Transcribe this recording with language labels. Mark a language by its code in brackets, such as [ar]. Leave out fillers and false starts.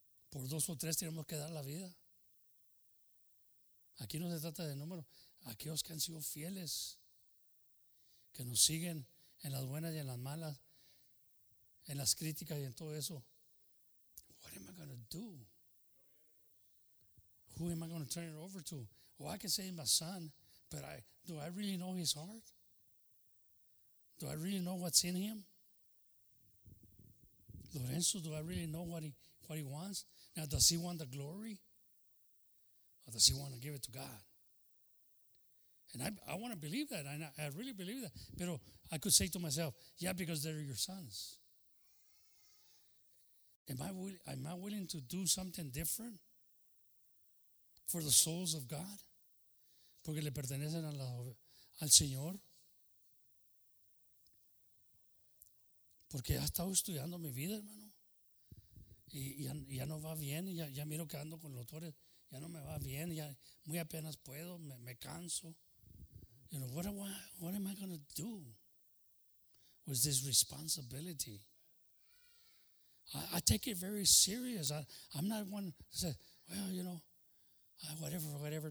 [es] Por dos o tres tenemos que dar la vida. Aquí no se trata de número. Aquellos que han sido fieles, que nos siguen en las buenas y en las malas, en las críticas y en todo eso. [en] What am I going to do? Who am I going to turn it over to? Oh, I can say my son, but do I really know his heart? Do I really know what's in him? Lorenzo, do I really know what he wants? Now, does he want the glory? Or does he want to give it to God? And I want to believe that. I really believe that. But I could say to myself, yeah, because they're your sons. Am I willing to do something different for the souls of God? [es] Porque le pertenecen al Señor. Porque ha estado estudiando mi vida, hermano. Y ya no va bien. Ya miro que ando con los doctores. Ya no me va bien. Ya muy apenas puedo. Me canso. [en] You know, what am I going to do with this responsibility? I take it very serious. I'm not one that says, well, you know, whatever.